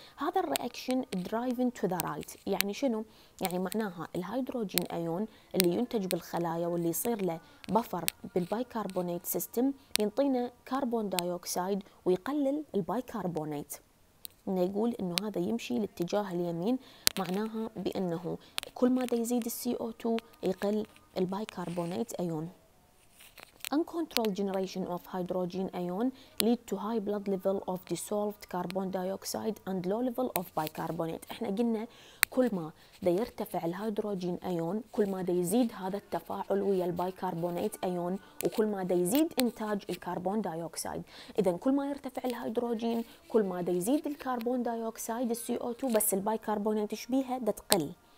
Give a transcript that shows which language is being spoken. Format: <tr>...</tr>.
<ar>هذا الرياكشن</ar> <en>driving to the right,</en> <ar>يعني شنو؟ يعني معناها الهيدروجين ايون اللي ينتج بالخلايا واللي يصير له بفر بالبايكربونات سيستم ينطينا كربون دايوكسيد ويقلل البايكربونات. نقول انه هذا يمشي الاتجاه اليمين، معناها بانه كل ما يزيد CO2 يقل البايكربونات ايون.</ar> <en>Uncontrolled generation of hydrogen ion lead to high blood level of dissolved carbon dioxide and low level of bicarbonate.</en> <ar>احنا قلنا كل ما دا يرتفع الهيدروجين ايون كل ما دا يزيد هذا التفاعل ويا البايكربونات ايون، وكل ما دا يزيد انتاج الكربون دايوكسيد. اذا كل ما يرتفع الهيدروجين كل ما دا يزيد الكربون دايوكسيد CO2، بس البايكربونات ايش بيها؟ دا تقل.</ar>